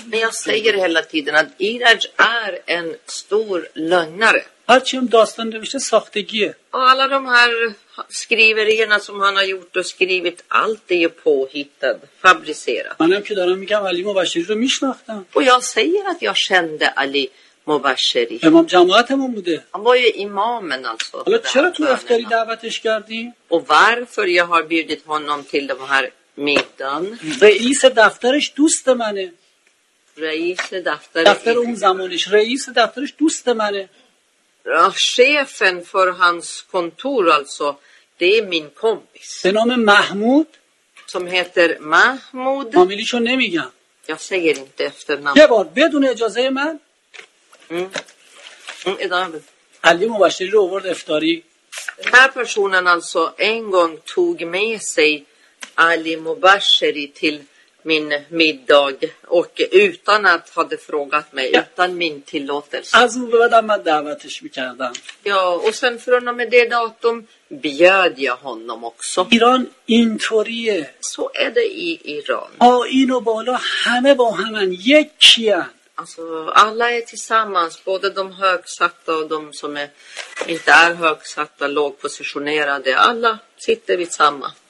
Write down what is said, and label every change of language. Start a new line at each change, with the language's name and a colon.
Swedish: Men jag säger hela tiden att Iraj är en stor lögnare. Allt som dåstan det visste saktegie. Alla de här skriverierna som han har gjort och skrivit, allt är ju påhittat, fabricerat. Man kan säga att han Ali Mubasheri då misnaktan. Och jag säger att jag kände Ali مبشری
Persian: امام جماعتمون بوده اما امامن alltså حالا چرا تو افطاری دعوتش کردی
Swedish: و varför jag har bjudit honom till den här middagen
Persian: رئیس دفترش دوست منه رئیس دفتر اون زمانش رئیس دفترش دوست منه
Swedish: chefen för hans kontor alltså det är min kompis
Persian: به نام محمود
Swedish: som heter محمود
Persian: فامیلیشو نمیگم
Swedish: jag säger inte efternamn
Persian: یه بار بدون اجازه من علی مبشری رو آورد افطاری
Swedish: این پرسونن alltså en gång tog med sig علی مبشری till min middag och utan att hade frågat mig utan min tillåtelse
Persian: از اون بعد من دعوتش میکردم
Swedish: och sen från och med det datum bjöd jag honom också
Persian: ایران اینطوریه
Swedish: så är det i Iran
Persian: آین و بالا همه با همن یکیه
Swedish: Alltså, alla är tillsammans, både de högsatta och de som är, inte är högsatta, lågpositionerade. Alla sitter vid samma.